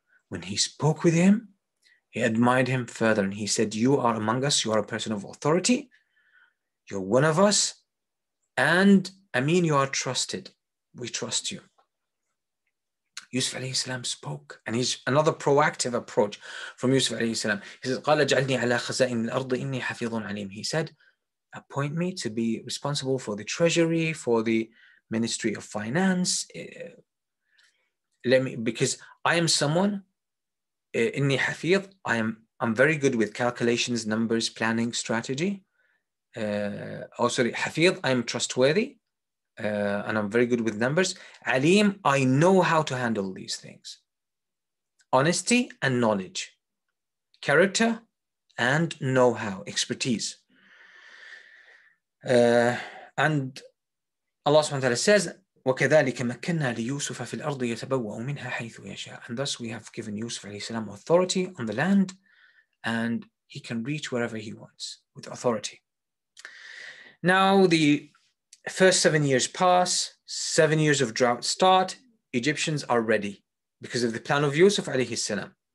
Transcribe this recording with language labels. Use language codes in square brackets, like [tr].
[en] When he spoke with him, he admired him further. And he said, you are among us. You are a person of authority. You're one of us. And Amin, you are trusted. We trust you. Yusuf alayhi salam spoke. And he's another proactive approach from Yusuf alayhi salam. He says, [ar] قَالَ جَعَلْنِي عَلَى خَزَائِنِ الْأَرْضِ إِنِّي حَفِيظٌ عَلِيمٌ. [en] He said, appoint me to be responsible for the treasury, for the ministry of finance. Because I am someone, [ar] إِنِّي حَفِيظ, [en] I'm very good with calculations, numbers, planning, strategy. حَفِيظ, I'm trustworthy, and I'm very good with numbers. عَلِيم, I know how to handle these things. Honesty and knowledge. Character and know-how, expertise. And Allah subhanahu wa ta'ala says, [ar] وَكَذَلِكَ مَكَّنَّا لِيُوسُفَ فِي الْأَرْضِ يَتَبَوَّأُ مِنْهَا حَيْثُ يَشَاءُ. [en] And thus we have given Yusuf alayhi salam authority on the land, and he can reach wherever he wants with authority. Now the first 7 years pass, 7 years of drought start, Egyptians are ready because of the plan of Yusuf alayhi salam.